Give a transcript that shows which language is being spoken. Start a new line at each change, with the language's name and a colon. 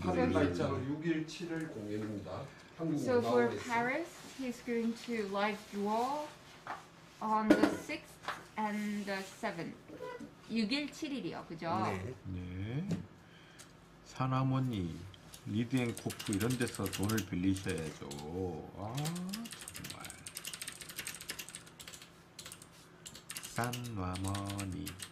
Korean: 파리 날짜로 6일 7일 공연입니다. 한국
English: So for Paris, he's going to live draw on the 6th and the 7th.
Korean: 6일 7일이요, 그죠? 네. 네. 산하모니, 리드앤코프 이런 데서 돈을 빌리셔야죠. 아, 정말. 산하모니.